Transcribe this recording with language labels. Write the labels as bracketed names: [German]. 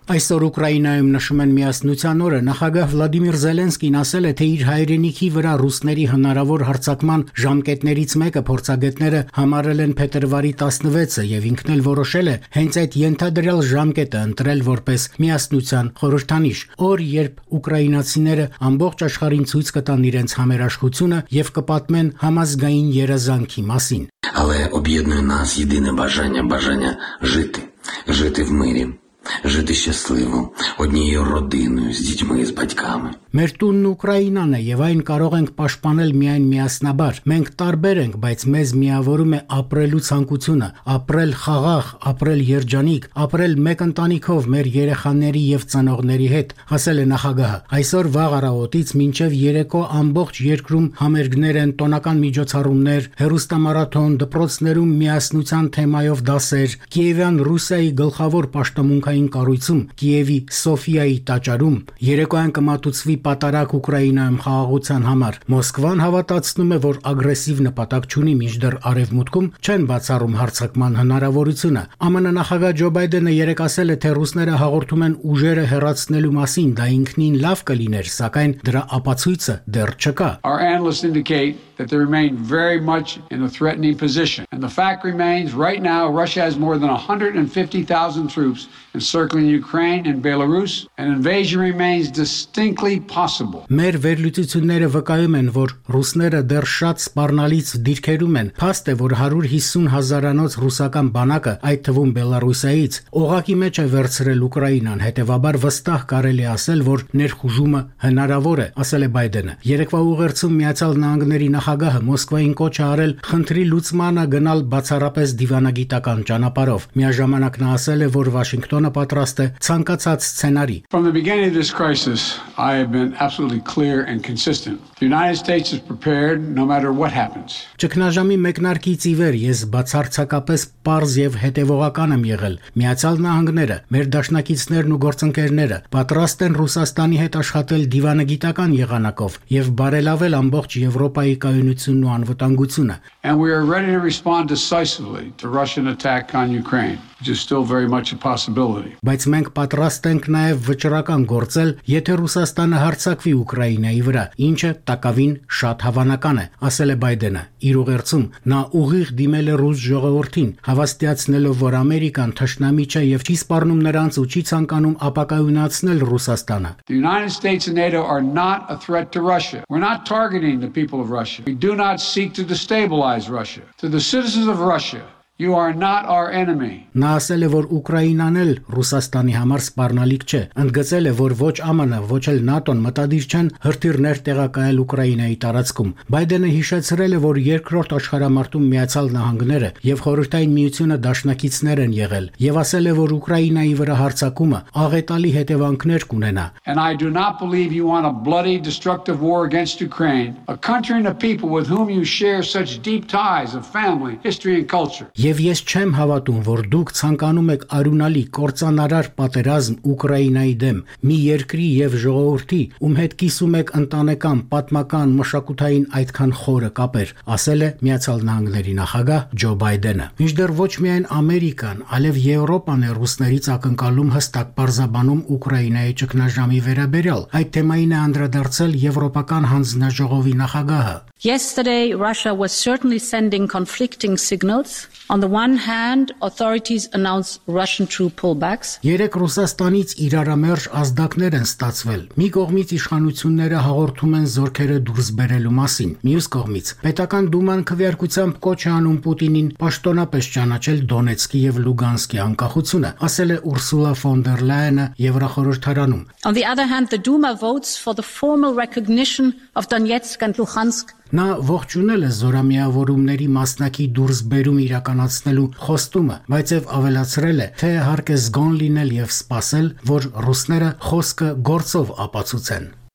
[Armenian] Այսօր Ուկրաինայում նշում են միասնության օրը, նախագահ Վլադիմիր Զելենսկին ասել է, թե իր հայրենիքի վրա ռուսների հնարավոր հարձակման ժամկետներից մեկը փորձագետները համարել են փետրվարի 16-ը և ինքն էլ որոշել է հենց այդ ենթադրյալ ժամկետը ընտրել որպես միասնության խորհրդանիշ, օր, երբ ուկրաինացիները ամբողջ աշխարհին ցույց կտան իրենց համերաշխությունը և կպատմեն համազգային երազանքի մասին։ [Ukrainian] Але об'єднує нас єдине бажання, бажання жити, жити в мирі, жити щасливо, однією родиною, з дітьми, з батьками. [Armenian] Մեր տունն Ուկրաինան է, և այն կարող ենք պաշտպանել միայն միասնաբար։ Մենք տարբեր ենք, բայց մեզ միավորում է ապրելու ցանկությունը, ապրել խաղաղ, ապրել երջանիկ, ապրել մեկ ընտանիքով մեր երեխաների և ծնողների հետ, ասել է նախագահը։ Այսօր վաղ առավոտից մինչև երեկո ամբողջ երկրում համերգներ են, տոնական միջոցառումներ, հեռուստամարաթոն, դպրոցներում միասնության թեմայով դասեր, Կիևյան Ռուսիայի գլխավոր պաշտամունքային կառույցում, Կիևի Սոֆիայի տաճարում, երեկոյան կմատուցվի պատարակ Ուկրաինայում խաղաղության համար։ Մոսկվան հավատացնում է, որ ագրեսիվ նպատակ չունի, մինչդեռ արևմուտքում չեն բացառում հարձակման հնարավորությունը։ ԱՄՆ նախագահ Ջո Բայդենը երեկ ասել է, թե ռուսները հաղորդում են ուժերը հեռացնելու մասին, դա ինքնին լավ կլիներ, սակայն դրա ապացույցը դեռ չկա։ [English] Our analysts indicate that they remain very much in a threatening position, and the fact remains right now Russia has more than 150,000 troops encircling Ukraine and Belarus, and invasion remains distinctly possible. [Armenian] Մեր վերլուծությունները վկայում են, որ ռուսները դեռ շատ սպառնալից դիրքերում են։ Փաստ է, որ 150 հազարանոց ռուսական բանակը, այդ թվում Բելարուսիայից, օղակի մեջ է վերցրել Ուկրաինան, հետևաբար վստահ կարելի ասել, որ ներխուժումը հնարավոր է, ասել է Բայդենը։ Երեկվա ուղերձում Միացյալ Նահանգների նախագահը Մոսկվային կոչ է արել խնդրի լուծմանը գնալ բացառապես դիվանագիտական ճանապարհով։ Միաժամանակ նա ասել է, որ Վաշինգտոնը պատրաստ է ցանկացած սցենարի։ [English] From the beginning of this crisis, I have been absolutely clear and consistent. The United States is prepared no matter what happens. [Armenian] Չքնաժամի մեկնարկից ի վեր ես բացարձակապես պարզ եւ հետեւողական եմ եղել։ Միացյալ Նահանգները, մեր դաշնակիցներն ու գործընկերները պատրաստ են Ռուսաստանի հետ աշխատել դիվանագիտական եղանակով եւ բարելավել ամբողջ Եվրոպայի կայունությունն ու անվտանգությունը։ [English] And we are ready to respond decisively to Russian attack on Ukraine. Which is still very much a possibility. [Armenian] Բայց մենք պատրաստ ենք նաև վճռական գործել, եթե Ռուսաստանը հարձակվի Ուկրաինայի վրա, ինչը տակավին շատ հավանական է, ասել է Բայդենը։ Իր ուղերձում նա ուղիղ դիմել է ռուս ժողովրդին, հավաստիացնելով, որ Ամերիկան թշնամիջ է և չի սպառնում նրանց ու չի ցանկանում ապակայունացնել Ռուսաստանը։ [English] The United States and NATO are not a threat to Russia. We're not targeting the people of Russia. We do not seek to destabilize Russia. To the citizens of Russia, you are not our enemy. [Armenian] Նա ասել է, որ Ուկրաինան էլ Ռուսաստանի համար սպառնալիք չէ։ Ընդգծել է, որ ոչ ԱՄՆ-ը, ոչ էլ ՆԱՏՕ-ն մտադիր չեն հրթիռներ տեղակայել Ուկրաինայի տարածքում։ Բայդենը հիշեցրել է, որ երկրորդ աշխարհամարտում Միացյալ Նահանգները եւ Խորհրդային Միությունը դաշնակիցներ են եղել, եւ ասել է, որ Ուկրաինայի վրա հարձակումը աղետալի հետևանքներ կունենա։ [English] And I do not believe you want a bloody destructive war against Ukraine, a country and a people with whom you share such deep ties of family, history and culture. [Armenian] Եվ ես չեմ հավատում, որ դուք ցանկանում եք արյունալի կործանարար պատերազմ Ուկրաինայի դեմ, մի երկրի և ժողովրդի, ում հետ կիսում եք ընտանեկան, պատմական, մշակութային այդքան խորը կապեր, ասել է Միացյալ Նահանգների նախագահ Ջո Բայդենը։ Ինչդեռ ոչ միայն Ամերիկան, այլև Եվրոպան է ռուսներից ակնկալում հստակ պարզաբանում Ուկրաինայի ճգնաժամի վերաբերյալ։ Այդ թեմային է անդրադարձել Եվրոպական հանձնաժողովի նախագահը։ [English] Yesterday, Russia was certainly sending conflicting signals. On the one hand, authorities announced Russian troop pullbacks. [Armenian] Երեք Ռուսաստանից իրարամերժ ազդակներ են ստացվել։ Մի կողմից իշխանությունները հաղորդում են զորքերը դուրս բերելու մասին, մյուս կողմից Պետական Դուման քվեարկությամբ կոչ է անում Պուտինին պաշտոնապես ճանաչել Դոնեցկի եւ Լուգանսկի անկախությունը, ասել է Ուրսուլա ֆոն դեր Լայենը Եվրոխորհրդարանում։ [English] On the other hand, the Duma votes for the formal recognition of Donetsk and Luhansk. [Armenian] Նա ողջունել է զորամիավորումների մասնակի դուրս բերում իրականացնելու խոստումը, բայց եւ ավելացրել է, թե հարկ է զգոն լինել եւ սպասել, որ ռուսները խոսքը գործով ապացուցեն։